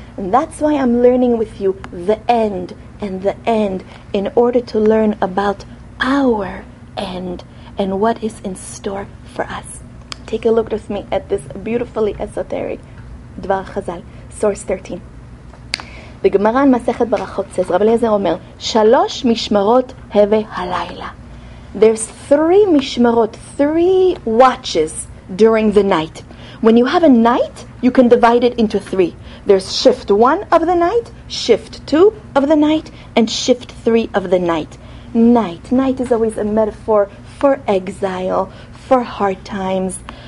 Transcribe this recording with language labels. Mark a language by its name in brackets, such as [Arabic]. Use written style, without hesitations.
[English] And that's why I'm learning with you the end and the end, in order to learn about our end and what is in store for us. Take a look with me at this beautifully esoteric Dvar Chazal. Source 13. [Hebrew] בגמרא מסכת ברכות says, רב אליעזר אומר, שלוש משמרות הווה הלילה. [English] There's three משמרות, three watches during the night. When you have a night, you can divide it into three. There's shift one of the night, shift two of the night, and shift three of the night. Night is always a metaphor for exile, for hard times.